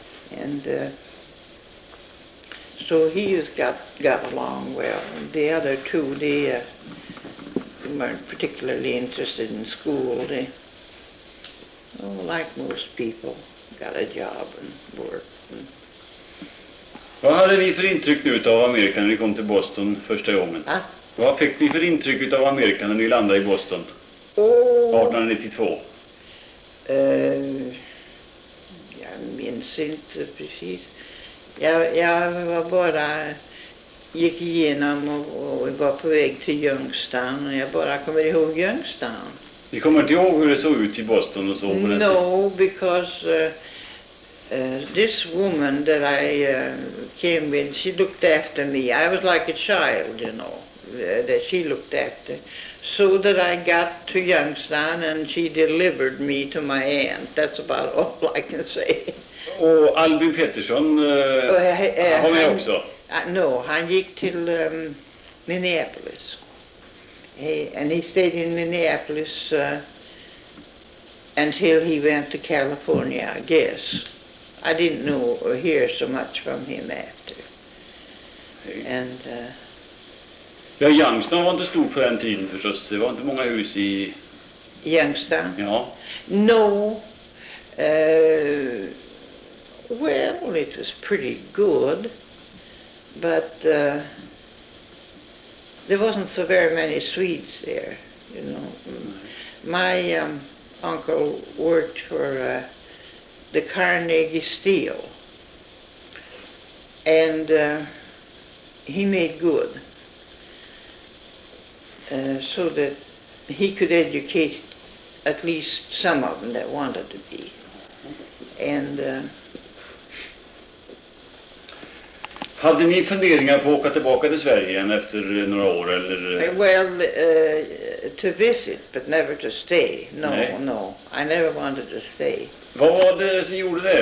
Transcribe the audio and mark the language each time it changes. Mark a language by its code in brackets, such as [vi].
[en] And so he has got along well. The other two, they weren't particularly interested in school. They, well, like most people, got a job and work. [sv] Vad hade ni för intryck nu av Amerika när ni kom till Boston första gången? Vad fick ni för intryck av Amerika när ni landade i Boston 1892? Jag minns inte precis. Jag var bara, gick igenom och var på väg till Youngstown och jag bara kommer ihåg Youngstown. Ni kommer inte ihåg hur det såg ut i Boston och så på den [en] No, [sv] tiden. [en] Because this woman that I came with, she looked after me. I was like a child, you know. That she looked after, so that I got to Youngstown and she delivered me to my aunt. That's about all I can say. [sv] Och Albin Pettersson, han var också. [en] No, [sv] han gick till Minneapolis. [en] He stayed in Minneapolis until he went to California, I guess. I didn't know or hear so much from him after. Hey. And [sv] ja, Youngstown var inte stor på den tiden förstås. Det var inte många hus i Youngstown? Ja. [en] No. Well, it was pretty good. But there wasn't so very many Swedes there, you know. My uncle worked for the Carnegie Steel. And he made good. So that he could educate at least some of them that wanted to be. And [sv] hade ni funderingar på att åka tillbaka till Sverige igen efter några år eller? [en] Well, to visit, but never to stay. No, [sv] Nej. [en] No, I never wanted to stay. [sv] Vad var det som gjorde det?